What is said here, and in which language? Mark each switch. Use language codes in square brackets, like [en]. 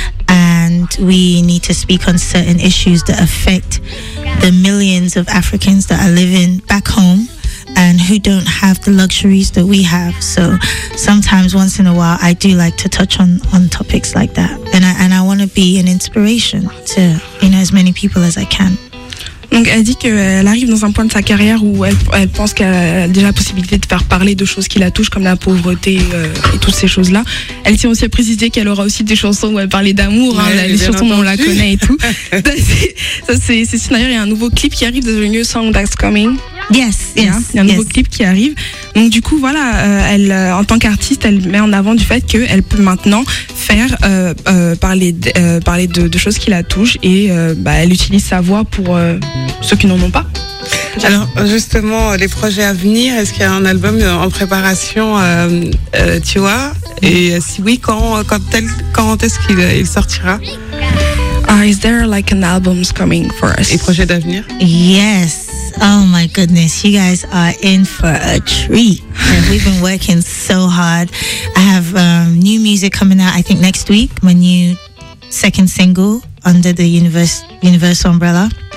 [en] And we need to speak on certain issues that affect the millions of Africans that are living back home and who don't have the luxuries that we have. So sometimes, once in a while, I do like to touch on topics like that. And I want to be an inspiration to, you know, as many people as I can. [fr] Donc elle dit qu'elle arrive dans un point de sa carrière où elle pense qu'elle a déjà la possibilité de faire parler de choses qui la touchent comme la pauvreté et toutes ces choses-là. Elle tient aussi à préciser qu'elle aura aussi des chansons où elle parlait d'amour, hein, ouais, les chansons dont on la connaît et tout. Ça c'est d'ailleurs, il y a un nouveau clip qui arrive, [en] The New Song That's Coming. [fr] Il y a un nouveau clip qui arrive. Donc du coup voilà, elle, en tant qu'artiste, elle met en avant du fait qu'elle peut maintenant faire parler de choses qui la touchent et bah, elle utilise sa voix pour ceux qui n'en ont pas. Alors justement, les projets à venir, est-ce qu'il y a un album en préparation, tu vois? Et si oui, quand est-ce qu'il sortira? [en] Is there like an album coming for us? [fr] Les projets d'avenir? [en] Yes. Oh my goodness, you guys are in for a treat. And we've been working so hard. I have new music coming out, I think, next week. My new second single under the Universe umbrella.